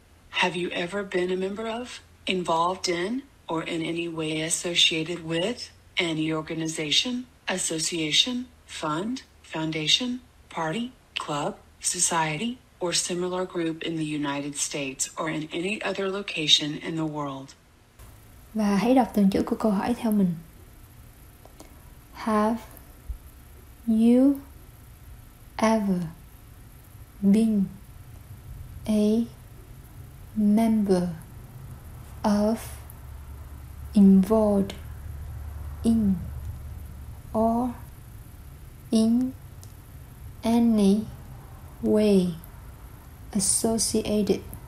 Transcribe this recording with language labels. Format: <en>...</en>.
<en>Have you ever been a member of, involved in, or in any way associated with any organization, association, fund, foundation, party, club, society, or similar group in the United States or in any other location in the world?</en> <vi>Và hãy đọc từng chữ của câu hỏi theo mình.</vi> <en>Have you ever been a member of, involved in, or in any way associated</en>